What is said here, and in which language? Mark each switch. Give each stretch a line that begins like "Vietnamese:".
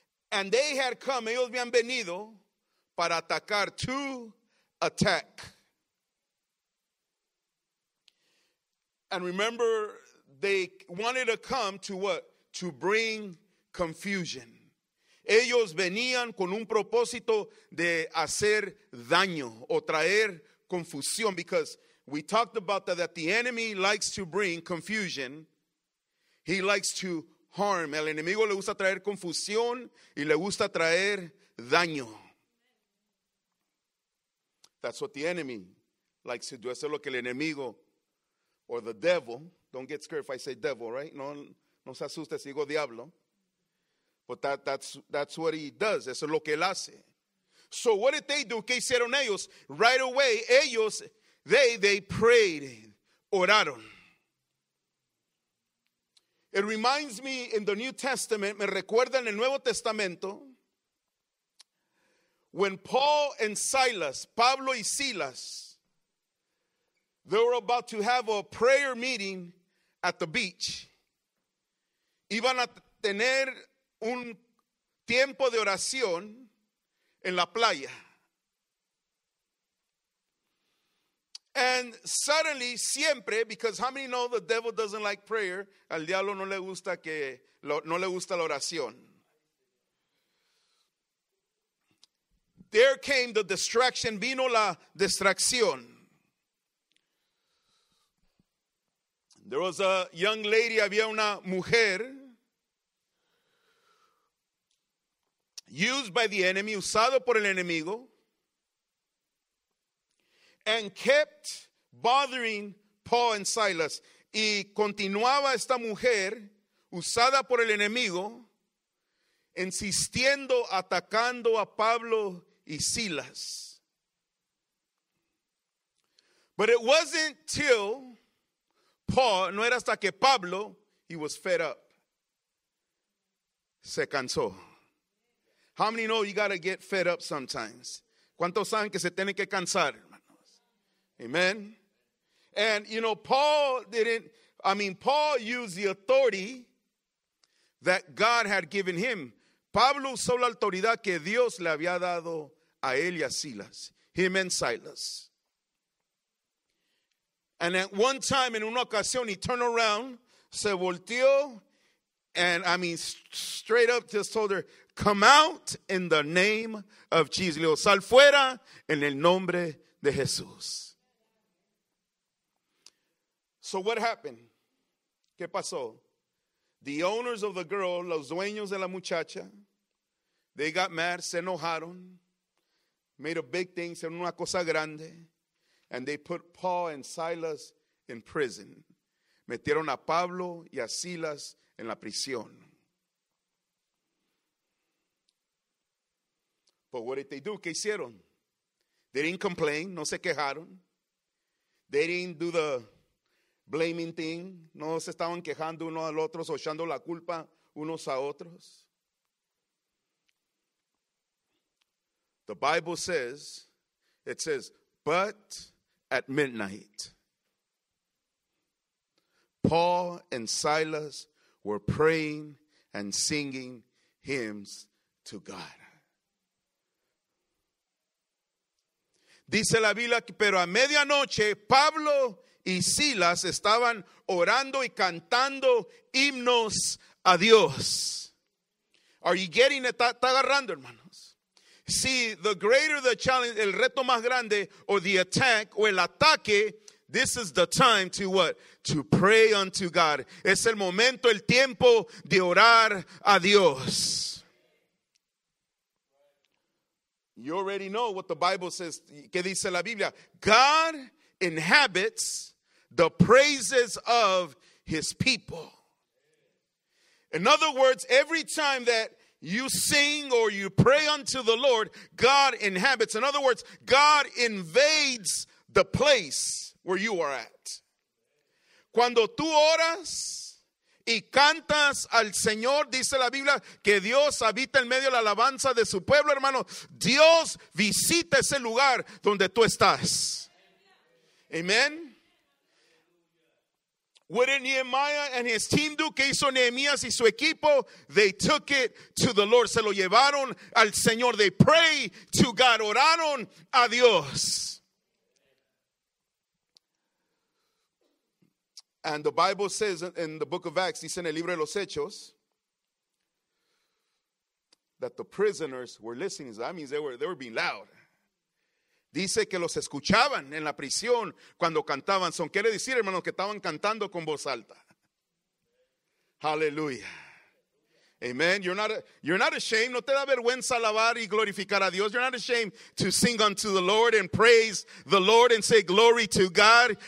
English: And they had come,
Spanish: ellos habían venido para atacar,
English: to attack. And remember, they wanted to come to what? To bring confusion.
Spanish: Ellos venían con un propósito de hacer daño o traer confusión.
English: Because we talked about that the enemy likes to bring confusion. He likes to harm.
Spanish: El enemigo le gusta traer confusión y le gusta traer daño.
English: That's what the enemy likes to do.
Spanish: Eso es lo que el enemigo,
English: or the devil. Don't get scared if I say devil, right?
Spanish: No se asuste si digo diablo.
English: But that's what he does.
Spanish: Eso es lo que él hace.
English: So what did they do?
Spanish: ¿Qué hicieron ellos?
English: Right away,
Spanish: ellos,
English: they prayed,
Spanish: oraron.
English: It reminds me in the New Testament,
Spanish: me recuerda en el Nuevo Testamento,
English: when Paul and Silas,
Spanish: Pablo y Silas,
English: they were about to have a prayer meeting at the beach.
Spanish: Iban a tener un tiempo de oración en la playa.
English: And suddenly,
Spanish: siempre,
English: because how many know the devil doesn't like prayer?
Spanish: Al diablo no le gusta la oración.
English: There came the distraction.
Spanish: Vino la distracción.
English: There was a young lady,
Spanish: había una mujer,
English: used by the enemy,
Spanish: usado por el enemigo,
English: and kept bothering Paul and Silas.
Spanish: Y continuaba esta mujer, usada por el enemigo, insistiendo, atacando a Pablo y Silas.
English: But it wasn't till Paul,
Spanish: no era hasta que Pablo,
English: he was fed up.
Spanish: Se cansó.
English: How many know you got to get fed up sometimes?
Spanish: ¿Cuántos saben que se tienen que cansar, hermanos?
English: Amen. And, you know, Paul used the authority that God had given him.
Spanish: Pablo usó la autoridad que Dios le había dado a él y a Silas.
English: Him and Silas. And at one time,
Spanish: en una ocasión,
English: he turned around,
Spanish: se volteó,
English: and, straight up just told her, come out in the name of Jesus.
Spanish: Le digo, sal fuera en el nombre de Jesús.
English: So what happened?
Spanish: ¿Qué pasó?
English: The owners of the girl,
Spanish: los dueños de la muchacha,
English: they got mad,
Spanish: se enojaron,
English: made a big thing,
Spanish: se una cosa grande,
English: and they put Paul and Silas in prison.
Spanish: Metieron a Pablo y a Silas en la prisión.
English: But what did they do?
Spanish: ¿Qué hicieron?
English: They didn't complain,
Spanish: no se quejaron.
English: They didn't do the blaming thing.
Spanish: No se estaban quejando uno al otro o echando la culpa unos a otros.
English: The Bible says, it says, but at midnight, Paul and Silas were praying and singing hymns to God.
Spanish: Dice la Biblia, pero a medianoche, Pablo y Silas estaban orando y cantando himnos a Dios.
English: Are you getting it?
Spanish: Está agarrando, hermanos.
English: See, the greater the challenge,
Spanish: el reto más grande,
English: or the attack,
Spanish: o el ataque,
English: this is the time to what? To pray unto God.
Spanish: Es el momento, el tiempo de orar a Dios.
English: You already know what the Bible says.
Spanish: ¿Qué dice la Biblia?
English: God inhabits the praises of his people. In other words, every time that you sing or you pray unto the Lord, God inhabits. In other words, God invades the place where you are at.
Spanish: Cuando tú oras y cantas al Señor, dice la Biblia, que Dios habita en medio de la alabanza de su pueblo, hermano. Dios visita ese lugar donde tú estás. Amen.
English: What did Nehemiah and his team do?
Spanish: ¿Qué hizo Nehemías y su equipo?
English: They took it to the Lord.
Spanish: Se lo llevaron al Señor.
English: They pray to God.
Spanish: Oraron a Dios.
English: And the Bible says in the book of Acts,
Spanish: dice en el libro de los Hechos,
English: that the prisoners were listening. That means they were being loud.
Spanish: Dice que los escuchaban en la prisión cuando cantaban. Son quiere decir, hermanos, que estaban cantando con voz alta.
English: Hallelujah. Amen. You're not ashamed.
Spanish: No te da vergüenza alabar y glorificar a Dios.
English: You're not ashamed to sing unto the Lord and praise the Lord and say glory to God.